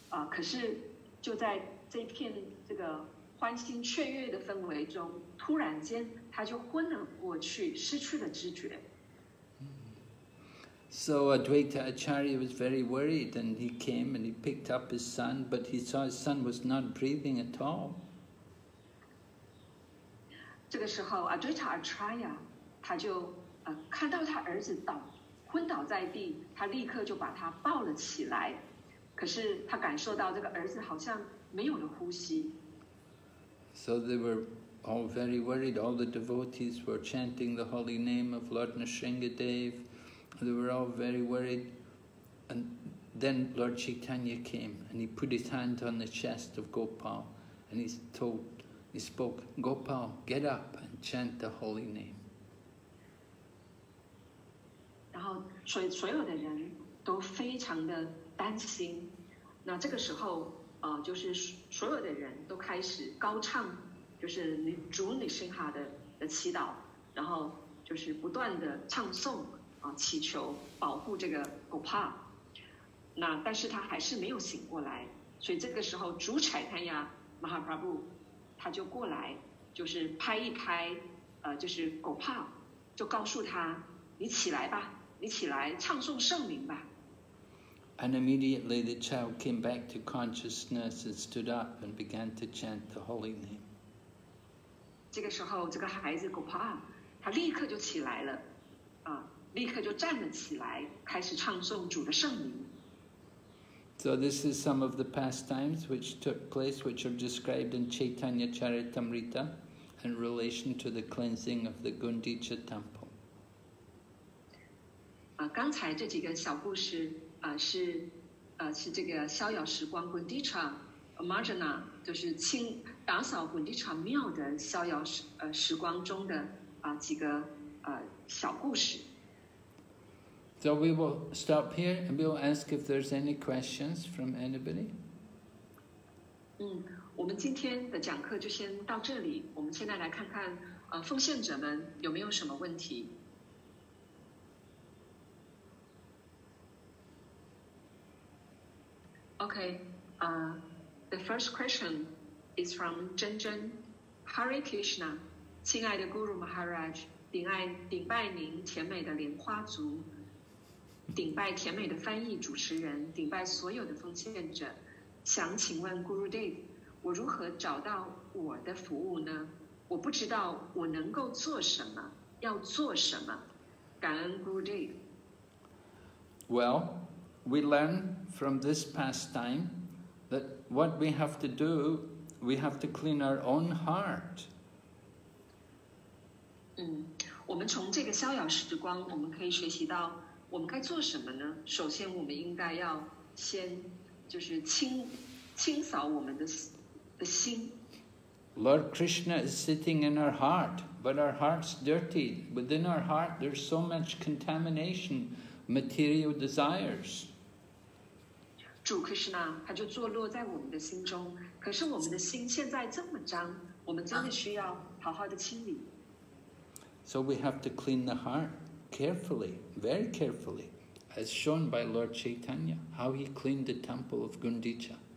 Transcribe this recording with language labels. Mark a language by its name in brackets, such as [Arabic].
[Chinese] 可是就在这片这个欢欣雀跃的氛围中，突然间他就昏了过去，失去了知觉。 [English] So Advaita Acharya was very worried, and he came and he picked up his son, but he saw his son was not breathing at all. [Chinese] 这个时候 ，Advaita Acharya 他就看到他儿子昏倒在地，他立刻就把他抱了起来。可是他感受到这个儿子好像没有了呼吸。 [English] So they were all very worried. All the devotees were chanting the holy name of Lord Nrisimhadev. They were all very worried. And then Lord Chaitanya came and he put his hand on the chest of Gopal and he spoke, Gopal, get up and chant the holy name. [Chinese] 然后所有的人都非常的担心。那这个时候就是所有的人都开始高唱就是主女神哈的祈祷，然后就是不断的唱诵祈求保护这个 Gopal。那但是他还是没有醒过来，所以这个时候主宰他呀 Mahaprabhu 他就过来，就是拍一拍就是 Gopal， 就告诉他，你起来吧，你起来唱诵圣名吧。 [English] And immediately the child came back to consciousness and stood up and began to chant the holy name. [Chinese] 这个时候，这个孩子 Gopal， 他立刻就起来了，立刻就站了起来，开始唱诵主的圣名。 [English] So this is some of the pastimes which took place, which are described in Chaitanya Charitamrita, in relation to the cleansing of the Gundicha temple. [Chinese] 刚才这几个小故事。是这个逍遥时光滚地场 Marjana 就是清打扫滚地场庙的逍遥时光中的几个小故事。 [English] So we will stop here and we will ask if there's any questions from anybody. [Chinese] 我们今天的讲课就先到这里，我们现在来看看奉献者们有没有什么问题。 [English] Okay, the first question is from Zhen Zhen. [Chinese] Hare Krishna, 亲爱的 Guru Maharaj, 顶拜您甜美的莲花族，顶拜甜美的翻译主持人，顶拜所有的奉献者。想请问 Guru Dev, 我如何找到我的服务呢？我不知道我能够做什么，要做什么。感恩 Guru Dev. [English] Well,we learn from this pastime that what we have to do, we have to clean our own heart. [Chinese] 我们从这个逍遥时光，我们可以学习到，我们该做什么呢？首先我们应该要先就是 清扫我们 的心。 [English] Lord Krishna is sitting in our heart, but our heart's dirty. Within our heart, there's so much contamination, material desires. [Chinese] 主 Krishna, 他就坐落在我们的心中，可是我们的心现在这么脏，我们真的需要好好的清理。 [English] So we have to clean the heart carefully, very carefully, as shown by Lord Chaitanya, how he cleaned the temple of Gundicha.